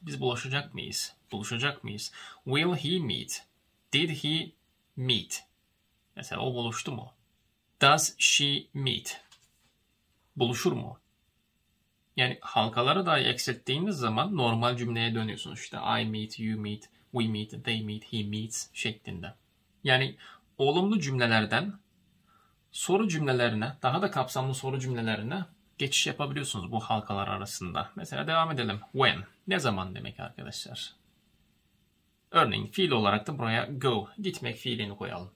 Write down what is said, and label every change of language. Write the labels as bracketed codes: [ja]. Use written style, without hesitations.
[tr] Biz buluşacak mıyız? Buluşacak mıyız? [en] Will he meet? Did he meet? [tr] Mesela o buluştu mu? [en] Does she meet? [tr] Buluşur mu? Yani halkaları da eksilttiğiniz zaman normal cümleye dönüyorsunuz. İşte [en] I meet, you meet, we meet, they meet, he meets [tr] şeklinde. Yani olumlu cümlelerden soru cümlelerine, daha da kapsamlı soru cümlelerine geçiş yapabiliyorsunuz bu halkalar arasında. Mesela devam edelim. [en] When, [tr] ne zaman demek arkadaşlar? Örneğin fiil olarak da buraya go, gitmek fiilini koyalım.